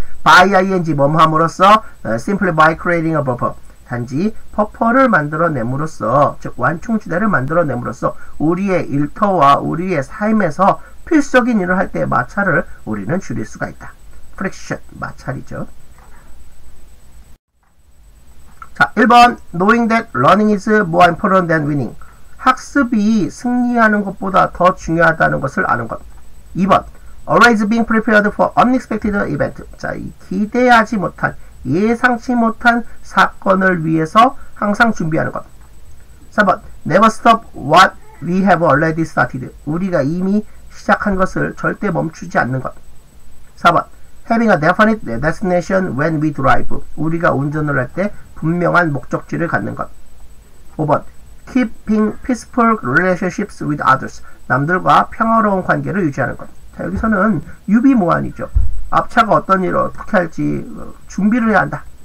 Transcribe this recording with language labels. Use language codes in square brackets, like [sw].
[en] By ing [ko] 뭐뭐함으로써 [en] simply by creating a buffer. [ko] 단지 버퍼를 만들어냄으로써, 즉 완충지대를 만들어냄으로써 우리의 일터와 우리의 삶에서 필수적인 일을 할 때 마찰을 우리는 줄일 수가 있다. Friction, 마찰이죠. [en] 자, 1번, Knowing that learning is more important than winning. [ko] 학습이 승리하는 것보다 더 중요하다는 것을 아는 것. [en] 2번, Always being prepared for unexpected event. [ko] 자, 이 기대하지 못한, 예상치 못한 사건을 위해서 항상 준비하는 것. [en] 3번, Never stop what we have already started. [ko] 우리가 이미 시작한 것을 절대 멈추지 않는 것. [en] 4번, having a definite destination when we drive. [ko] 우리가 운전을 할 때 분명한 목적지를 갖는 것. [en] 5번, keeping peaceful relationships with others. [ko] 남들과 평화로운 관계를 유지하는 것. 자, 여기서는 유비무환이죠. 앞차가 어떤 일을 어떻게 할지 준비를 해야 한다.